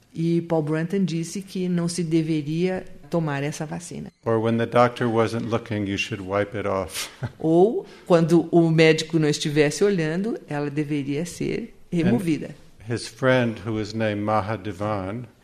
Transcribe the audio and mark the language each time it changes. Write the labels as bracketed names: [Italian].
[Portuguese] E Paul Branton disse que não se deveria tomar essa vacina. [English] Or when the doctor wasn't looking, you should wipe it off. [Portuguese] Ou quando o médico não estivesse olhando, ela deveria ser removida. [English] And his friend, who is named Mahadevan,